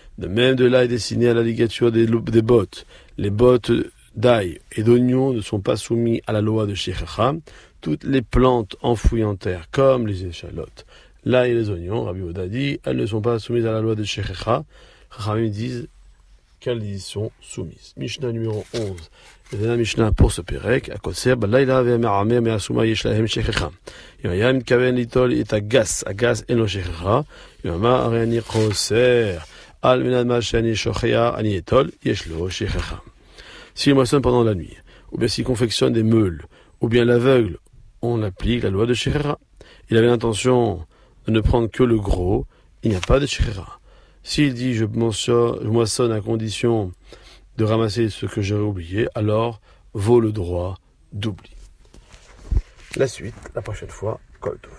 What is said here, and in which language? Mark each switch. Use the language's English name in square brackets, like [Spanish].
[French] De même, de l'ail destiné à la ligature des loupes des bottes. Les bottes d'ail et d'oignons ne sont pas soumises à la loi de Shechacha. Toutes les plantes enfouies en terre, comme les échalotes, l'ail et les oignons, Rabbi Yehuda dit, elles ne sont pas soumises à la loi de Shechacha. Chachamim disent qu'elles y sont soumises. Mishnah numéro 11. [Hebrew] וזה המשנה פור ספירק, הקוצר בלילה והמעמר מהסומה יש להם שכחה. אם היה מתכוון ליטול את הגס, הגס אין לו שכחה, אם אמר הרי אני חוסר, על מנת מה שאני שוכח, אני אטול, יש לו שכחה. [French] Si il moissonne pendant la nuit, ou bien s'il confectionne des meules, ou bien l'aveugle, on applique la loi de שכחה. Il avait l'intention de ne prendre que le gros, il n'y a pas de שכחה. S'il dit je moissonne à condition de ramasser ce que j'aurais oublié, alors vaut le droit d'oubli. La suite, la prochaine fois, Kol Tov.